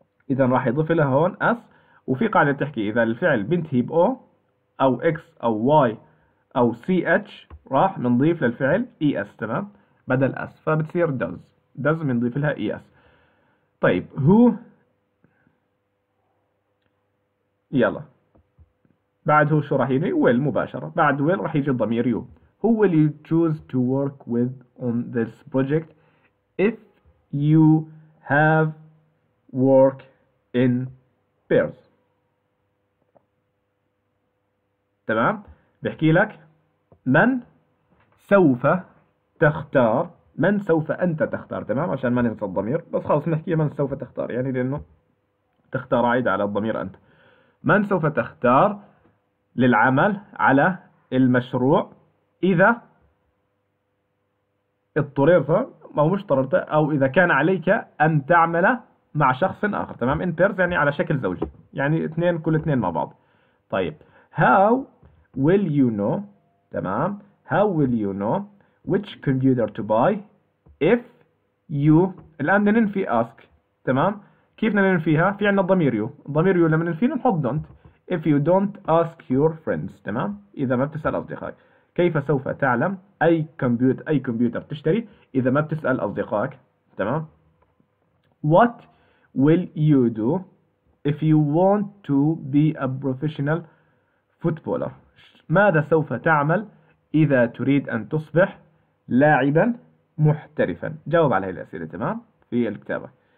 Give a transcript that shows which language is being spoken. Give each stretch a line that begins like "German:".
Arabic: إذا راح يضيف لها هون as، وفي قاعدة تحكي إذا الفعل بنتهي بـ O أو X أو Y أو CH راح بنضيف للفعل ES تمام بدل as، فبتصير does، does بنضيف لها ES. طيب who يلا بعد هو شو راح يجي؟ will مباشرة، بعد will راح يجي الضمير you.
English: who will you choose to work with on this project if you have work in pairs تمام.
Arabic: بحكي لك من سوف تختار، من سوف أنت تختار تمام، عشان ما ننسى الضمير بس خلاص نحكي من سوف تختار يعني لأنه تختار عائد على الضمير أنت. من سوف تختار للعمل على المشروع إذا اضطررت أو مش اضطررت أو إذا كان عليك أن تعمل مع شخص آخر تمام.
English: in pairs
Arabic: يعني على شكل زوجي يعني اثنين كل اثنين مع بعض.
English: طيب how will you know تمام، how will you know which computer to buy if you
Arabic: الآن ننفي
English: ask تمام،
Arabic: كيف بدنا ننفيها؟ في عندنا الضمير يو، الضمير يو لما ننفيه نحط don't.
English: If you don't ask your friends، تمام؟
Arabic: إذا ما بتسأل أصدقائك. كيف سوف تعلم أي كمبيوتر، أي كمبيوتر تشتري إذا ما بتسأل أصدقائك؟ تمام؟
English: What will you do if you want to be a professional footballer؟
Arabic: ماذا سوف تعمل إذا تريد أن تصبح لاعبا محترفا؟ جاوب على هذه الأسئلة، تمام؟ في الكتابة.